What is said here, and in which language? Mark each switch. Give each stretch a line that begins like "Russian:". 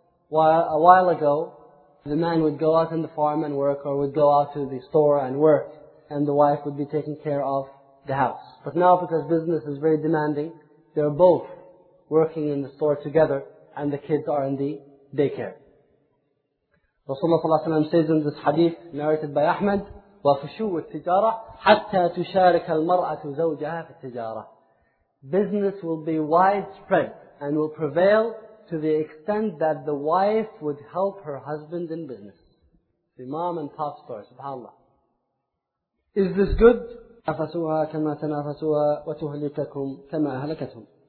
English: While a while ago, the man would go out in the farm and work, or would go out to the store and work, and the wife would be taking care of the house. But now, because business is very demanding, they're both working in the store together, and the kids are in the daycare. Rasulullah ﷺ says in this hadith, narrated by Ahmed,
Arabic: وَفُشُوُ التِّجَارَةِ حَتَّى تُشَارِكَ الْمَرْأَةُ زَوْجَهَا فِي التِّجَارَةِ.
English: Business will be widespread and will prevail to the extent that the wife would help her husband in business. The mom and pop store, subhanAllah. Is this good?
Arabic: تَنَافَسُوهَا كَمَا تَنَافَسُوهَا وَتُهْلِكَكُمْ كَمَا أَهْلَكَتْهُمْ.